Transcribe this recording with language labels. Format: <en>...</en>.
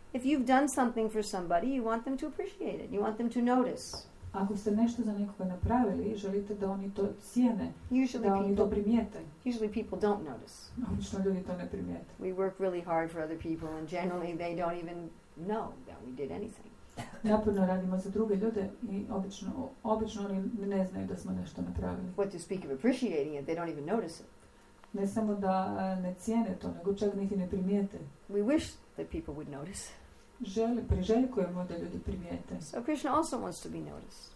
<en>If you've done something for somebody, you want them to appreciate it. You want them to notice.</en> <hr>Ako ste nešto za nekoga napravili, želite da oni to cijene,</hr> <en>usually</en> <hr>da</hr> <en>people,</en> <hr>oni to primijete.</hr> <en>Usually people don't notice.</en> <hr>Obično ljudi to ne primijete.</hr> <en>We work really hard for other people and generally they don't even know that we did anything.</en> <hr>Naporno radimo za druge ljude i obično oni ne znaju da smo nešto napravili.</hr> <en>What to speak of appreciating it, they don't even notice it.</en> <hr>Ne samo da ne cijene to, nego čak niti ne primijete.</hr> <en>We wish that people would notice.</en> <hr>Priželjkujemo da ljudi primijete.</hr> <en>So Krishna also wants to be noticed.</en>